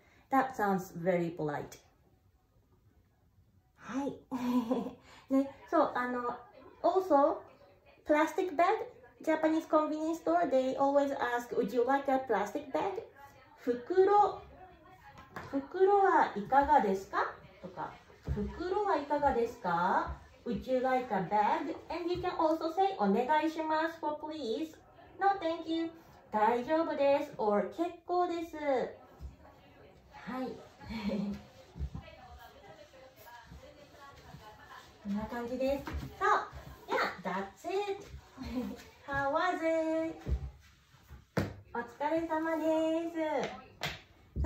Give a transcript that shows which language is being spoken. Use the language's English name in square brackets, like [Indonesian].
[English] That sounds very polite. [Japanese] はい。ね、そう、 [English] also, plastic bag, Japanese convenience store, they always ask, would you like a plastic bag? [Japanese] 袋はいかがですか? とか、袋はいかがですか? [English] Would you like a bag? And you can also say, [Japanese] お願いします [English] for please. No, thank you. [Japanese] 大丈夫です or 結構です。はい。こんな感じです。 [English] So, yeah, that's it. How was it? [Japanese] お疲れ様です。